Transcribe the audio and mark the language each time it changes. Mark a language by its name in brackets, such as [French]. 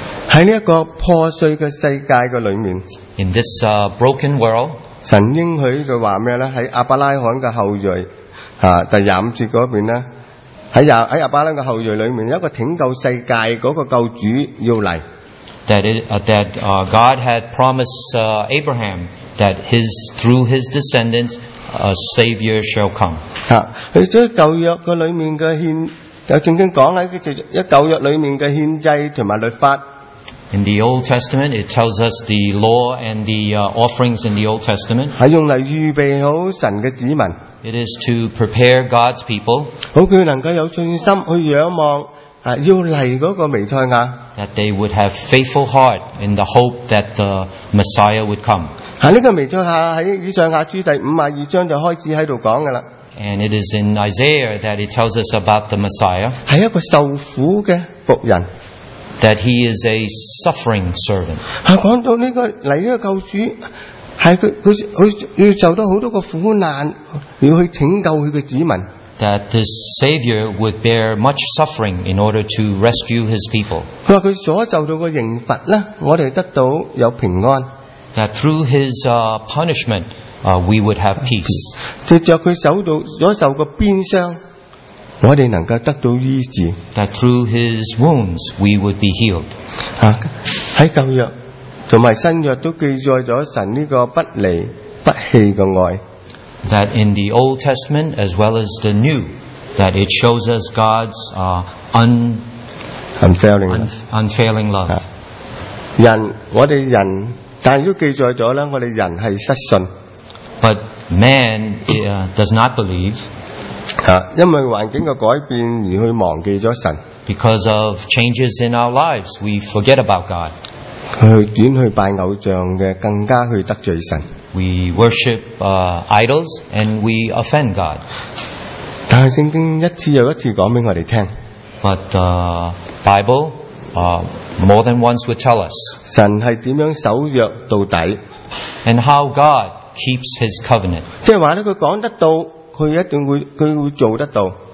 [Cantonese] 在这个破碎的世界里面 [English] In this broken world, [Cantonese] 神应许他说什么呢在亚伯拉罕的后裔第25节那边呢 在亚伯拉罕的后裔里面有一个拯救世界的那个救主要来 [English] That God had promised Abraham that through his descendants,A savior shall come. [Cantonese] 喺咗旧约嘅里面嘅宪，有圣经讲咧，就一旧约里面嘅宪制同埋律法。 [English] In the Old Testament, it tells us the law and the offerings in the Old Testament. [Cantonese] 系用嚟预备好神嘅子民。 [English] It is to prepare God's people. [Cantonese] 好佢能够有信心去仰望要嚟嗰个弥赛亚。 [English] That they would have faithful heart in the hope that the Messiah would come. [Cantonese] 这个弥赛亚在以赛亚书第52章就开始在这里讲的了。 [English] And it is in Isaiah that it tells us about the Messiah. [Cantonese] 是一个受苦的仆人。 [English] That he is a suffering servant. [Cantonese] 讲到这个来这个救主是他要受到很多的苦难要去拯救他的子民。 [English] That this Savior would bear much suffering in order to rescue his people. [Cantonese] 他说他所受到的刑罚呢，我们得到有平安。 [English] That through his punishment, we would have peace. [Cantonese] 藉着他受到鞭伤, 我们能够得到医治, [English] that through his wounds we would be healed. [Cantonese] 啊, 在旧约和新约都记载了神这个不离不弃的爱, [English] that in the Old Testament as well as the New, that it shows us God's unfailing love. [Cantonese] 人,我们人, 但也记载了, [English] but man does not believe. [Cantonese] 因为环境的改变而去忘记了神, [English] because of changes in our lives, we forget about God. [Cantonese] 去转去拜偶像的更加去得罪神, [English] we worship idols and we offend God. [Cantonese] 但圣经一次又一次讲给我们听, [English] but the Bible more than once would tell us [Cantonese] 神是怎样守约到底, [English] and how God keeps his covenant. [Cantonese] 即是说他讲得到, 他一定会做得到,